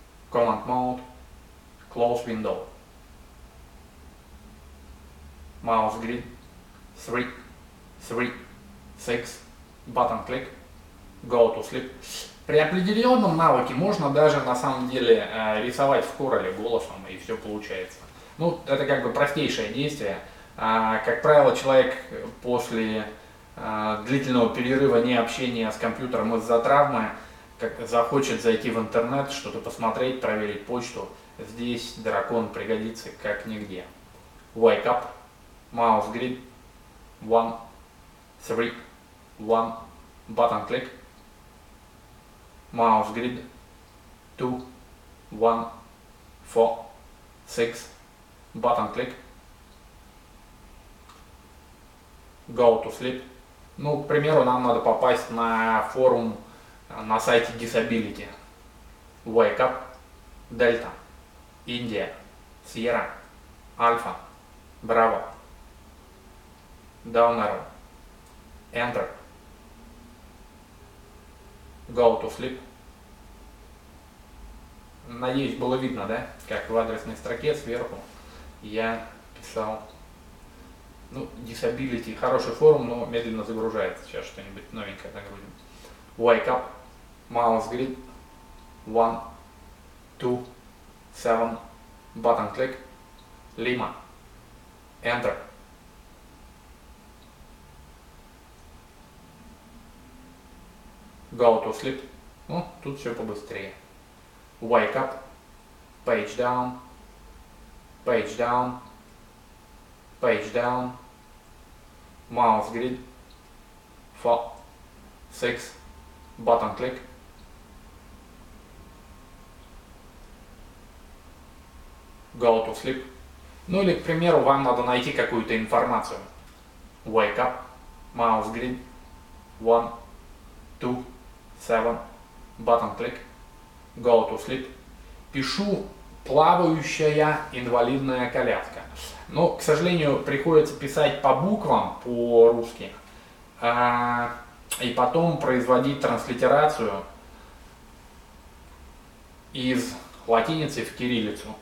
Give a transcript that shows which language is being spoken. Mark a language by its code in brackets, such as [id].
[en] command mode, close window, mouse grid, 3, 3, 6, button click, go to sleep. [ru] При определенном навыке можно даже на самом деле рисовать в Короле голосом, и все получается. Ну, это как бы простейшее действие. Как правило, человек после длительного перерыва не общения с компьютером из-за травмы как захочет зайти в интернет, что-то посмотреть, проверить почту. Здесь дракон пригодится как нигде. [en] Wake up, mouse grid, 1, 3, 1, button click, mouse grid, 2, 1, 4, 6, button click, go to sleep. [ru] Ну, к примеру, нам надо попасть на форум на сайте Disability. [en] Wake up, Delta, India, Sierra, Alpha, Bravo, Down Arrow, Enter, go to sleep. [ru] Надеюсь, было видно, да, как в адресной строке сверху я писал. Ну, Disability, хороший форум, но медленно загружается. Сейчас что-нибудь новенькое нагрузим. [en] Wake up, mouse grid, 1, 2, 7, button click, Lima, Enter, go to sleep. [ru] Ну, тут все побыстрее. [en] Wake up, page down, page down, page down, mouse grid, 4, 6, button click, go to sleep. [ru] Ну или, к примеру, вам надо найти какую-то информацию. [en] Wake up, mouse grid, 1, 2, 7, button click, go to sleep. [ru] Пишу: плавающая инвалидная коляска. Но, к сожалению, приходится писать по буквам, по-русски, и потом производить транслитерацию из латиницы в кириллицу.